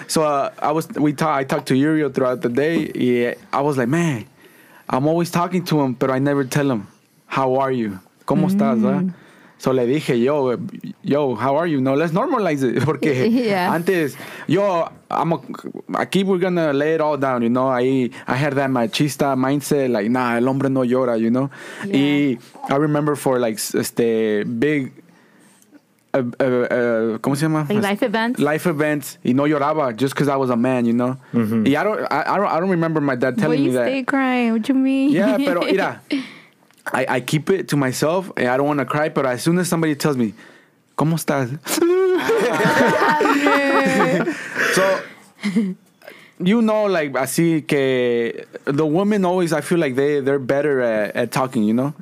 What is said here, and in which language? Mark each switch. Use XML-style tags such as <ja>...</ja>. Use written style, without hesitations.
<en>So I talked to Yurio throughout the day. Yeah, I was like, man, I'm always talking to him, but I never tell him, how are you?</en> <es>¿Cómo estás?</es> <en>So</en> <es>le dije, yo,</es> <en>how are you? No, let's normalize it.</en> <es>Porque antes, aquí</es> <en>we're going to lay it all down, you know. I had that machista mindset, like, nah,</en> <es>el hombre no llora,</es> <en>you know. Yeah. Y I remember for, like, big,</en> <es>¿cómo se llama?</es> <en>Like life events. Life events. Y no lloraba just because I was a man, you know. Mm-hmm. Y I don't remember my dad telling me that. Why you stay crying? What you mean?</en> <es>Yeah, pero mira.</es> <en>I keep it to myself, and I don't want to cry, but as soon as somebody tells me,</en> <es>¿cómo estás?</es> <en>So, you know, like,</en> <es>así que</es> <en>the women always, I feel like they're better at talking, you know?</en>